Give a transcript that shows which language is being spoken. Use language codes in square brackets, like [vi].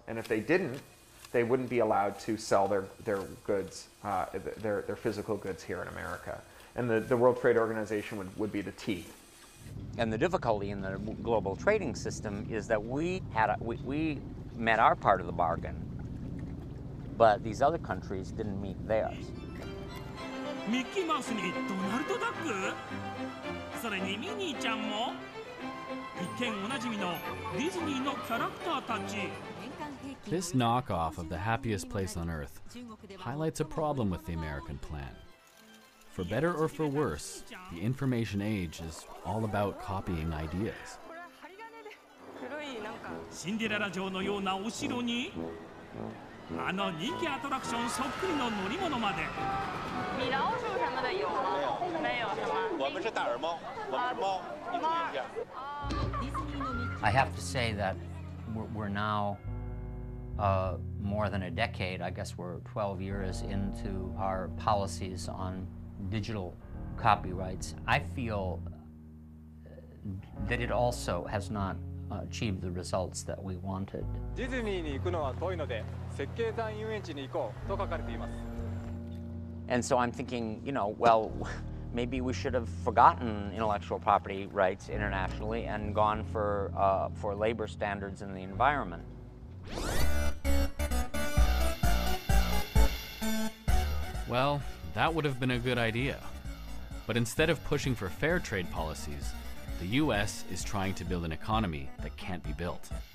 [en] And if they didn't, they wouldn't be allowed to sell their goods, their physical goods here in America. And the World Trade Organization would be the teeth. And the difficulty in the global trading system is that we met our part of the bargain, but these other countries didn't meet theirs. Mickey Mouse and Donald Duck? [ja] それにミニーちゃんも?一見おなじみのディズニーのキャラクターたち。 [en] This knockoff of The Happiest Place on Earth highlights a problem with the American plan. For better or for worse, the information age is all about copying ideas. [ja] シンデレラ城のようなお城に、あの人気アトラクションそっくりの乗り物まで。 [zh] 米老鼠什么的有吗？没有什么。我们是大耳猫，我们是猫，你注意一 [en] 下。I have to say that we're now more than a decade, I guess we're 12 years into our policies on digital copyrights. I feel that it also has not achieved the results that we wanted. [ja] ディズニーに行くのは遠いので、設計団遊園地に行こうと書かれています。 [en] And so I'm thinking, you know, well, maybe we should have forgotten intellectual property rights internationally and gone for labor standards in the environment. Well, that would have been a good idea. But instead of pushing for fair trade policies, the US is trying to build an economy that can't be built.